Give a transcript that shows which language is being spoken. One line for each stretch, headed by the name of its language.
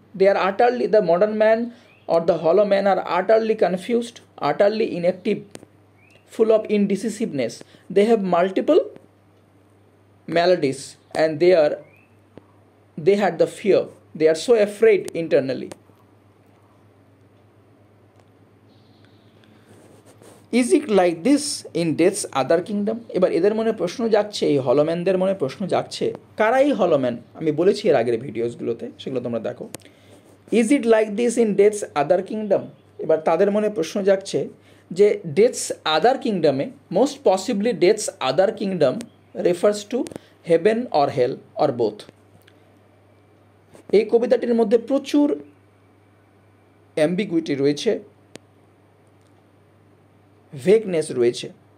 English: They R আটারলি, the modern man or the হলো man R আটারলি confused, আটারলি inactive, full of indecisiveness. They have multiple maladies and they had the fear, they are so afraid internally. Is it like this in death's other kingdom?
Bangla: এবার এদের মনে প্রশ্ন যাচ্ছে, এই হলোম্যানদের মনে প্রশ্ন যাচ্ছে, কারা এই হলোম্যান? আমি বলেছি এর আগের ভিডিওসগুলোতে, সেগুলো তোমরা দেখো।
English: Is it like this in death's other kingdom?
Bangla: এবার তাদের মনে প্রশ্ন যাচ্ছে যে deaths other কিংডমে,
English: Most possibly deaths other kingdom refers to heaven or hell or both.
Bangla: এই কবিতাটির মধ্যে প্রচুর অ্যাম্বিগুইটি রয়েছে, ভেগনেস রয়েছে।